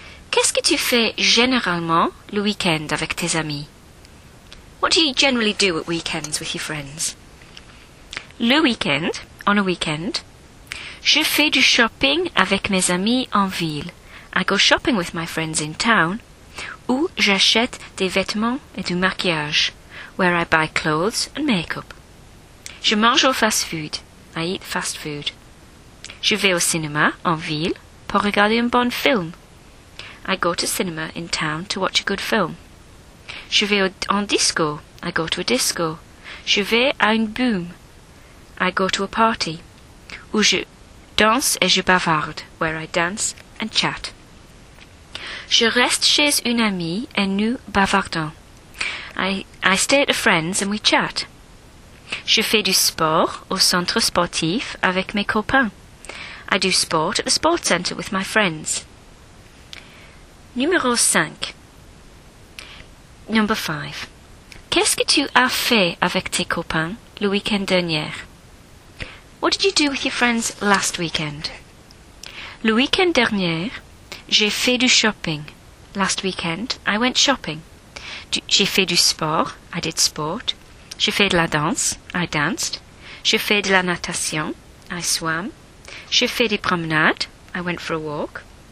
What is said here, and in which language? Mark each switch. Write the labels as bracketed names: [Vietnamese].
[French] Qu'est-ce que tu fais généralement le week-end avec tes amis? [English] What do you generally do at weekends with your friends? [French] Le week-end, [English] on a weekend. [French] Je fais du shopping avec mes amis en ville. [English] I go shopping with my friends in town. [French] Où j'achète des vêtements et du maquillage. [English] Where I buy clothes and makeup. [French] Je mange au fast-food. [English] I eat fast-food. [French] Je vais au cinéma en ville pour regarder un bon film. [English] I go to cinema in town to watch a good film. [French] Je vais en disco. [English] I go to a disco. [French] Je vais à une boom. [English] I go to a party. [French] Où je danse et je bavarde. [English] Where I dance and chat. [French] Je reste chez une amie et nous bavardons. [English] I stay at a friend's and we chat. [French] Je fais du sport au centre sportif avec mes copains. [English] I do sport at the sports center with my friends. [French] Numéro 5. [English] Number 5. [French] Qu'est-ce que tu as fait avec tes copains le week-end dernier? [English] What did you do with your friends last weekend? [French] Le week-end dernier, j'ai fait du shopping. [English] Last weekend, I went shopping. [French] J'ai fait du sport. [English] I did sport. [French] J'ai fait de la danse. [English] I danced. [French] J'ai fait de la natation. [English] I swam. [French] J'ai fait des promenades. [English] I went for a walk.